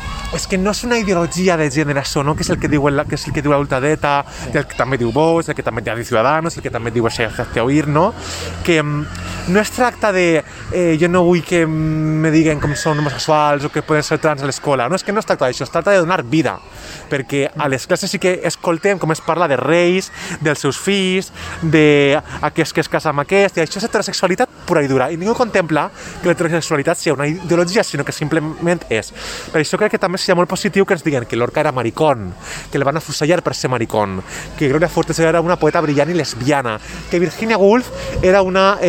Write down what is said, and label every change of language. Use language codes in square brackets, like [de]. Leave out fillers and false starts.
[ca] És que no és una ideologia de gènere, això, no? Que és el que diu la ultradeta, sí. El que també diu Vox, el que també diu Ciudadanos, el que també diu Xavier Oir, no? Que [es] no es tracta de [ca] yo no voy que me digan cómo son homosexuals o que pueden ser trans a l'escola. No, és que no es tracta d'això, es tracta de donar vida. Perquè a les classes sí que escoltem com es parla de reis, dels seus fills, d'aquest que es casa amb aquest, i això és heterosexualitat pura i dura. I ningú contempla que l'heterosexualitat sigui una ideologia, sinó que simplement és. Per això crec que també seria molt positiu que ens diguin que Lorca era maricón, que el van afusellar per ser maricón, que Gloria Fuertes era una poeta brillant i lesbiana, que Virginia Woolf era una...